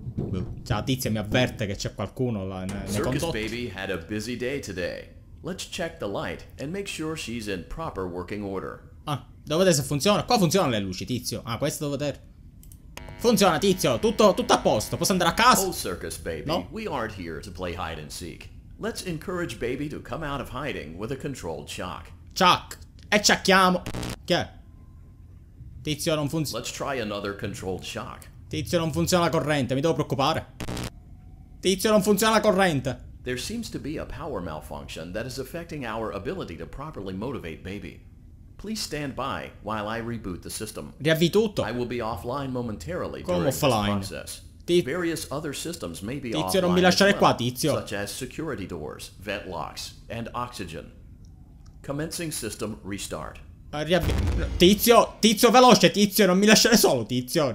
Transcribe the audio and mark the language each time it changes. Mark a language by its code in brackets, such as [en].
[it] Cioè, la tizia mi avverte che c'è qualcuno là nei [en] Circus [it] condotti. [en] Baby had a busy day today. Let's check the light and make sure she's in proper working order. [it] Ah, devo vedere se funziona. Qua funzionano le luci, tizio. Ah, questo devo vedere. Funziona, tizio. Tutto a posto. Posso andare a casa? Oh, Circus Baby, no? [en] We aren't here to play hide and seek. Let's encourage Baby to come out of hiding with a controlled shock. [it] Chuck. E ciacchiamo. Che? Tizio, non funziona. [en] Let's try another controlled shock. [it] Tizio, non funziona la corrente. Mi devo preoccupare. Tizio, non funziona la corrente. [en] There seems to be a power malfunction that is affecting our ability to properly motivate Baby. Please stand by while I reboot the system. [it] Riavvi tutto. [en] I will be offline momentarily. [it] Come offline? [en] Various other systems may be [it] tizio, [en] offline. [it] Tizio, non mi lasciare qua, tizio. [en] Such as security doors, vent locks, and oxygen. Commencing system restart. [it] Tizio, veloce, tizio, non mi lasciare solo, tizio.